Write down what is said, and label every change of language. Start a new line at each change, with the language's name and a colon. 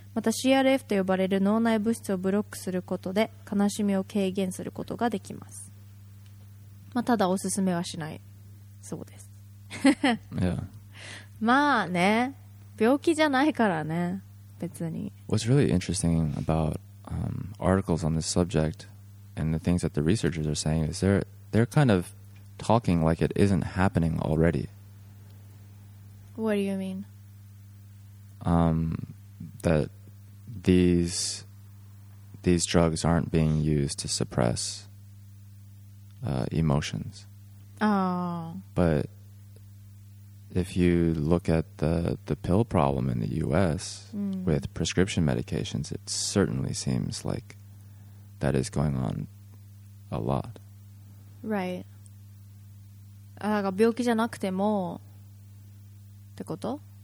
Japanese: また CRF と呼ばれる脳内物質をブロックすることで悲しみを軽減することができます。まあ、ただおすすめはしないそうです。
English: yeah.
Japanese: まあね、病気じゃないからね、別に。
English: What's really interesting about articles on this subject and the things that the researchers are saying is they're kind of talking like it isn't happening already. What do you mean? That these drugs aren't being used to suppress emotions. Oh. But if you look at the pill problem in the U.S. with prescription medications, it certainly seems like that is going on a lot. Right.
Japanese: だから病気じゃなくてもってこと?